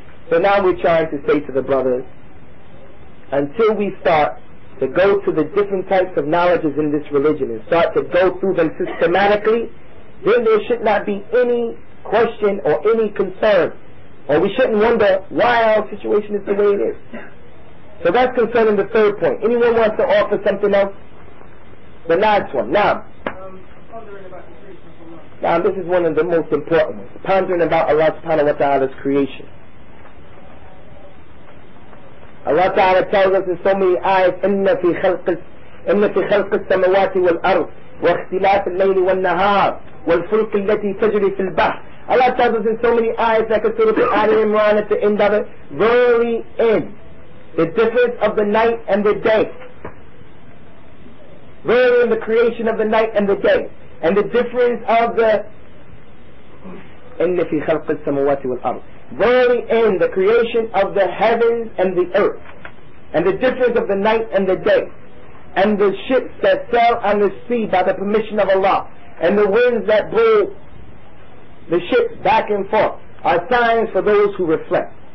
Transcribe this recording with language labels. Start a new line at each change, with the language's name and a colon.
English: So now we're trying to say to the brothers, until we start to go to the different types of knowledges in this religion and start to go through them systematically, then there should not be any question or any concern, or we shouldn't wonder why our situation is the way it is. So that's concerning the third point. Anyone wants to offer something else? The last one. Now, this is one of the most important ones. Pondering about Allah subhanahu wa ta'ala's creation. Allah ta'ala tells us in so many ayahs,
Arabic: إِنَّ فِي خَلْقِ السَّمَوَاتِ وَالْأَرْضِ وَاخْتِلَافِ اللَّيْلِ وَالنَّهَارِ وَالْفُلْكِ الَّتِي تَجْرِي فِي الْبَحْرِ.
English: Allah tells us in so many ayahs, like a surah of Ali Imran at the end of it, verily in the difference of the night and the day, wherein the creation of the night and the day, and the difference of the
Arabic: إِنَّ فِي خَلْقِ السَّمَوَاتِ وَالْأَرْضِ,
English: wherein the creation of the heavens and the earth, and the difference of the night and the day, and the ships that sail on the sea by the permission of Allah, and the winds that blow the ships back and forth, are signs for those who reflect.